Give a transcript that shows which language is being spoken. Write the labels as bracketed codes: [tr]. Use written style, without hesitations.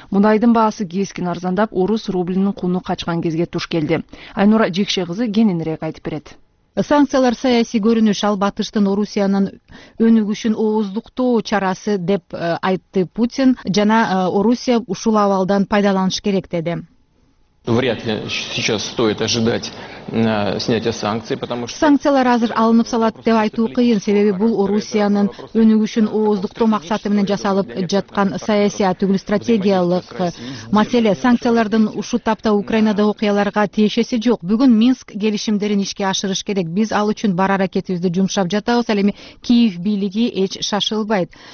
[ky] Мунайдын баасы кескин арзандап, орус рублинин куну качкан кезге туш келди. Айнура Жекше кызы кененирээк айтып берет. Санкциялар саясий көрүнүш, ал батыштын Орусиянын өнүгүшүн ооздуктоо чарасы деп айтты Путин жана Орусия ушул абалдан пайдаланыш керек деди. [ru] Вряд ли сейчас стоит ожидать снятия санкций, потому что [ky] санкциялар азыр алынып салат деп айтуу кыйын, себеби бул Орусиянын өнүгүшүн ооздуктоо максаты менен жасалып жаткан саясий, түгүл стратегиялык маселе. Санкциялардын ушул тапта Украинада окуяларга тиешеси жок. Бүгүн Минск келишимдерин ишке ашырыш керек. Биз ал үчүн бар аракетибизди жумшап жатабыз, ал эми Киев бийлиги эч шашылбайт.